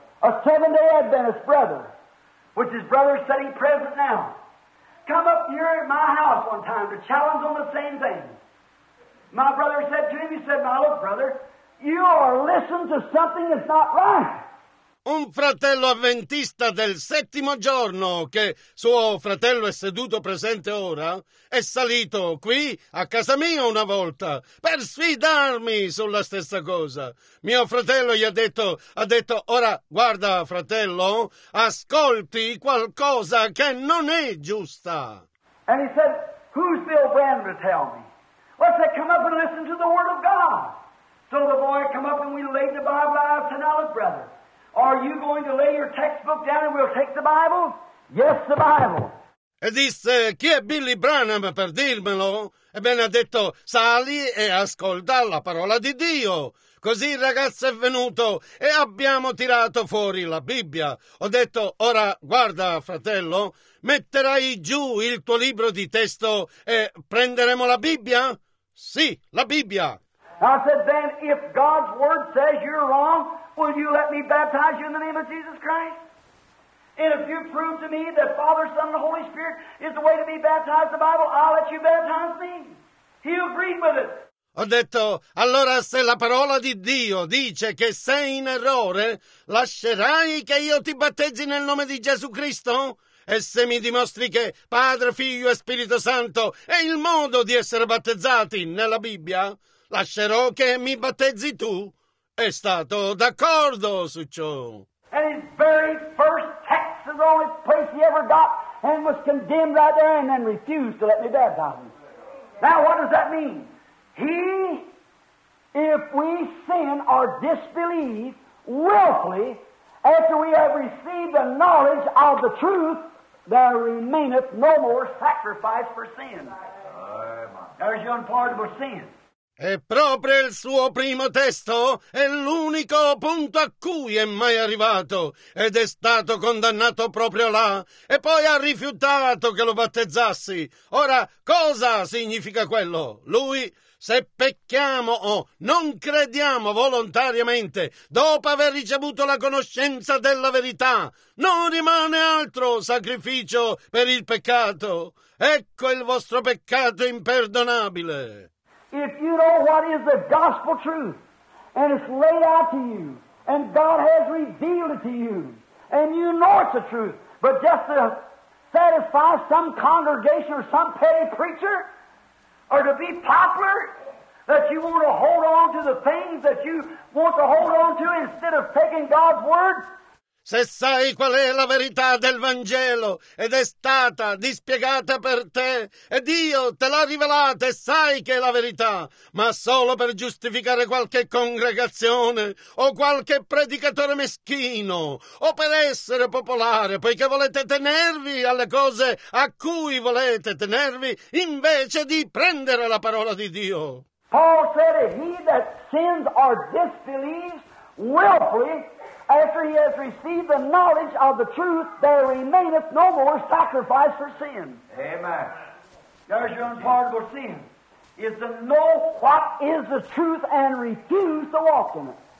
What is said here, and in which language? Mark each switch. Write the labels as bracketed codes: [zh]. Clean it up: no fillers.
[en] A Seventh-day Adventist brother, which his brother said he's present now, come up here at my house one time to challenge on the same thing. My brother said to him, he said, now look, brother, you are listening to something that's not right. [it] Un fratello avventista del settimo giorno, che suo fratello è seduto presente ora, è salito qui a casa mia una volta per sfidarmi sulla stessa cosa. Mio fratello gli ha detto, ora guarda fratello, ascolti qualcosa che non è giusta. [en] And he said, who's Bill Brand to tell me? Well, I said, come up and listen to the Word of God. So the boy come up and we laid the Bible out and said, brother, are you going to lay your textbook down and we'll take the Bible? Yes, the Bible. [it] E disse, chi è Billy Branham per dirmelo? Ebbene, ha detto, sali e ascolta la parola di Dio. Così il ragazzo è venuto e abbiamo tirato fuori la Bibbia. Ho detto, ora guarda, fratello, metterai giù il tuo libro di testo e prenderemo la Bibbia? Sì, la Bibbia. [en] I said, then, if God's word says you're wrong, will you let me baptize you in the name of Jesus Christ? And if you prove to me that Father, Son, and the Holy Spirit is the way to be baptized in the Bible, I'll let you baptize me. He agreed with it. [it] Ho detto, allora se la parola di Dio dice che sei in errore, lascerai che io ti battezzi nel nome di Gesù Cristo? E se mi dimostri che Padre, Figlio e Spirito Santo è il modo di essere battezzati nella Bibbia, lascerò che mi battezzi tu? È stato d'accordo su ciò. [en] And his very first text is the only place he ever got and was condemned right there and then refused to let me baptize him. Now what does that mean? He, if we sin or disbelieve willfully after we have received the knowledge of the truth, there remaineth no more sacrifice for sin. There's your unpardonable sin. [it] E proprio il suo primo testo è l'unico punto a cui è mai arrivato ed è stato condannato proprio là e poi ha rifiutato che lo battezzassi. Ora, cosa significa quello? Lui, se pecchiamo o non crediamo volontariamente dopo aver ricevuto la conoscenza della verità, non rimane altro sacrificio per il peccato. Ecco il vostro peccato imperdonabile. [en] If you know what is the gospel truth, and it's laid out to you, and God has revealed it to you, and you know it's the truth, but just to satisfy some congregation or some petty preacher, or to be popular, that you want to hold on to the things that you want to hold on to instead of taking God's word, [it] se sai qual è la verità del Vangelo ed è stata dispiegata per te e Dio te l'ha rivelata e sai che è la verità, ma solo per giustificare qualche congregazione o qualche predicatore meschino o per essere popolare, poiché volete tenervi alle cose a cui volete tenervi invece di prendere la parola di Dio. [en] Paul said he that sins or disbelieves willfully after he has received the knowledge of the truth, there remaineth no more sacrifice for sin. Amen. There's your unpardonable sin. Is to know what is the truth and refuse to walk in it.